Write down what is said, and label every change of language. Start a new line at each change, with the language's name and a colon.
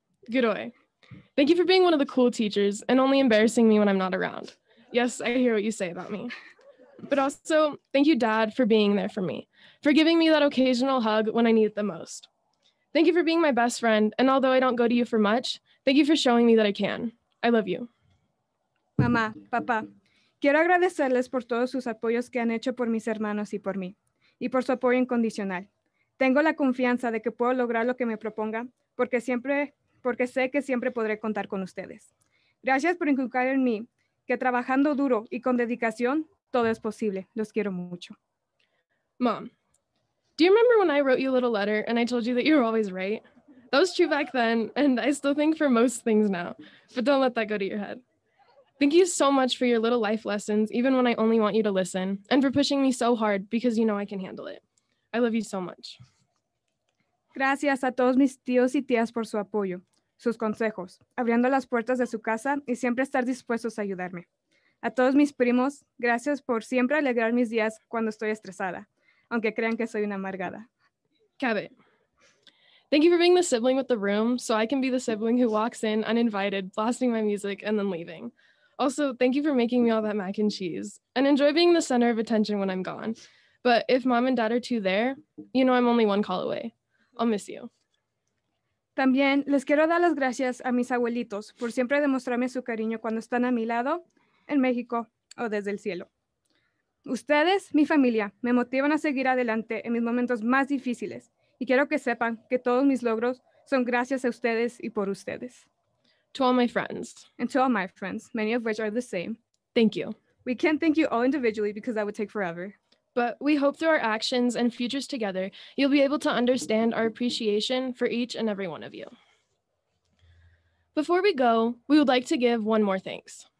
English: Godoy, thank you for being one of the cool teachers and only embarrassing me when I'm not around. Yes, I hear what you say about me. But also, thank you, Dad, for being there for me, for giving me that occasional hug when I need it the most. Thank you for being my best friend, and although I don't go to you for much, thank you for showing me that I can. I love you. Mama, Papa.
Spanish: Quiero agradecerles por todos sus apoyos que han hecho por mis hermanos y por mí, y por su apoyo incondicional. Tengo la confianza de que puedo lograr lo que me proponga, porque sé que siempre podré contar con ustedes. Gracias por inculcar en mí que trabajando duro y con dedicación, todo es posible. Los quiero mucho.
English: Mom, do you remember when I wrote you a little letter and I told you that you were always right? That was true back then, and I still think for most things now, but don't let that go to your head. Thank you so much for your little life lessons, even when I only want you to listen, and for pushing me so hard because you know I can handle it. I love you so much.
Spanish: Gracias a todos mis tíos y tías por su apoyo, sus consejos, abriendo las puertas de su casa y siempre estar dispuestos a ayudarme. A todos mis primos, gracias por siempre alegrar mis días cuando estoy estresada, aunque crean que soy una amargada.
English: Cabe. Thank you for being the sibling with the room so I can be the sibling who walks in uninvited, blasting my music and then leaving. Also, thank you for making me all that mac and cheese and enjoy being the center of attention when I'm gone. But if mom and dad are too there, you know I'm only one call away. I'll miss you.
Spanish: También les quiero dar las gracias a mis abuelitos por siempre demostrarme su cariño cuando están a mi lado, en México o desde el cielo. Ustedes, mi familia, me motivan a seguir adelante en mis momentos más difíciles y quiero que sepan que todos mis logros son gracias a ustedes y por ustedes.
English: To all my friends. And to all my friends, many of which are the same. Thank you. We can't thank you all individually because that would take forever. But we hope through our actions and futures together, you'll be able to understand our appreciation for each and every one of you. Before we go, we would like to give one more thanks.